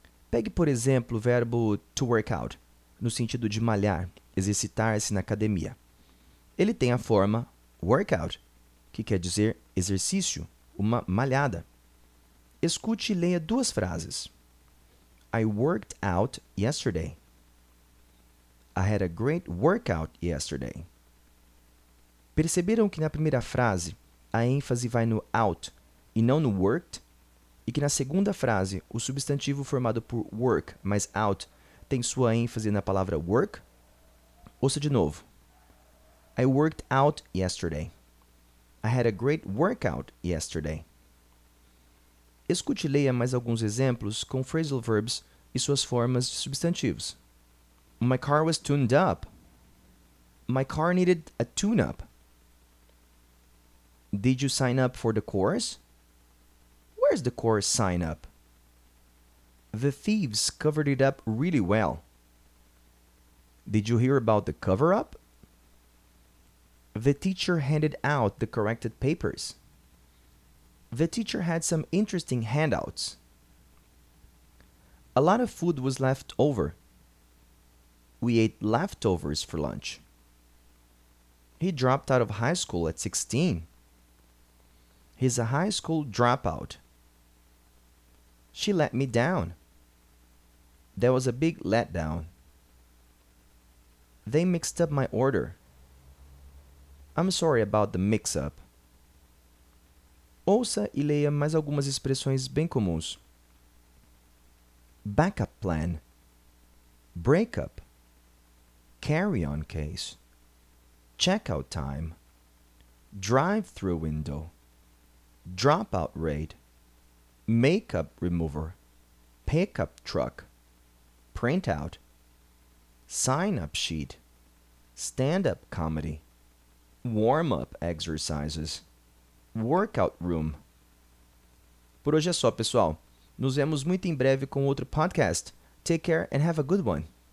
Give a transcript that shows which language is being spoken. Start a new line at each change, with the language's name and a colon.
Portuguese: Pegue, por exemplo, o verbo to work out, no sentido de malhar, exercitar-se na academia. Ele tem a forma workout, que quer dizer exercício, uma malhada. Escute e leia duas frases.
English: I worked out yesterday. I had a great workout yesterday.
Portuguese: Perceberam que na primeira frase a ênfase vai no out e não no worked? E que na segunda frase o substantivo formado por work mais out tem sua ênfase na palavra work? Ouça de novo.
English: I worked out yesterday. I had a great workout yesterday.
Portuguese: Escute e leia mais alguns exemplos com phrasal verbs e suas formas de substantivos.
English: My car was tuned up. My car needed a tune-up. Did you sign up for the course? Where's the course sign-up? The thieves covered it up really well. Did you hear about the cover-up? The teacher handed out the corrected papers. The teacher had some interesting handouts. A lot of food was left over. We ate leftovers for lunch. He dropped out of high school at 16. He's a high school dropout. She let me down. That was a big letdown. They mixed up my order. I'm sorry about the mix-up.
Portuguese: Ouça e leia mais algumas expressões bem comuns.
English: Backup plan. Breakup. Carry-on case, checkout time, drive-through window, dropout rate, makeup remover, pickup truck, printout, sign-up sheet, stand-up comedy, warm-up exercises, workout room.
Portuguese: Por hoje é só, pessoal. Nos vemos muito em breve com outro podcast.
English: Take care and have a good one.